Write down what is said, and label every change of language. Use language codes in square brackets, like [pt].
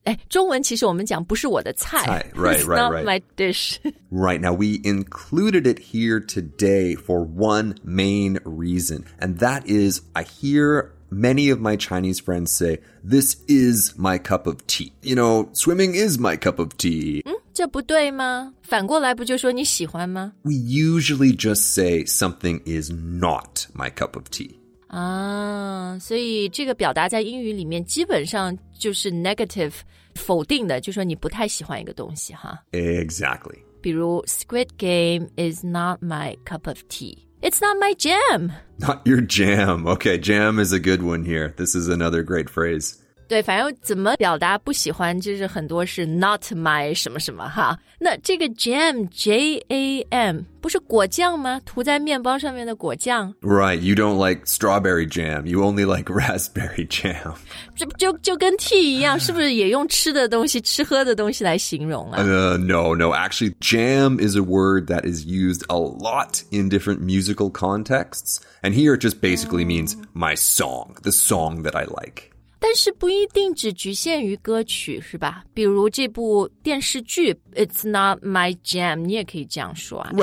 [zh] 哎，中文其实我们讲不是我的菜。 [en] 菜 right, right, right. It's not my dish. Right, now we included it here today for one main reason, and that is I hear many of my Chinese friends say, this is my cup of tea. You know, swimming is my cup of tea. [zh] 这不对吗？反过来不就说你喜欢吗？ [en] We usually just say something is not my cup of tea. [zh] 啊，所以这个表达在英语里面基本上就是 negative, 否定的，就说你不太喜欢一个东西哈。 [en] Exactly. 比如 Squid Game is not my cup of tea. It's not my jam. Not your jam. Okay, jam is a good one here. This is another great phrase. [zh] 对，反正怎么表达不喜欢，就是很多是 not my 什么什么哈。那这个 jam, J-A-M, 不是果酱吗？涂在面包上面的果酱。 [en] Right, you don't like strawberry jam, you only like raspberry jam. [zh] 就跟 tea 一样，是不是也用吃的东西、吃喝的东西来形容啊？ [en] No, actually, jam is a word that is used a lot in different musical contexts, and here it just basically means my song, the song that I like. [zh] 但是不一定只局限于歌曲是吧比如这部电视剧 [en] It's not my jam [zh] 你也可以这样说、啊